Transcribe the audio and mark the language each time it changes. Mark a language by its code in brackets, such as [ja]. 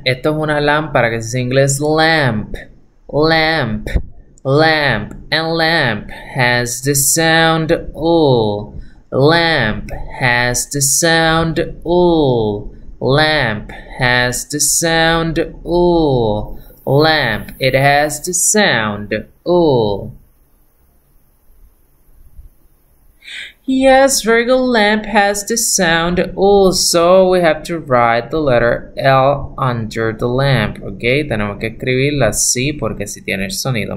[es] Esto es una lámpara, que es en inglés, lamp. [en] Lamp, lamp, and lamp has the sound L. Lamp has the sound L. Lamp has the sound L. Lamp, it has the sound L. Yes, very good. Lamp has the sound L. So we have to write the letter L under the lamp. [es] Okay, tenemos que escribirla así porque si tiene el sonido.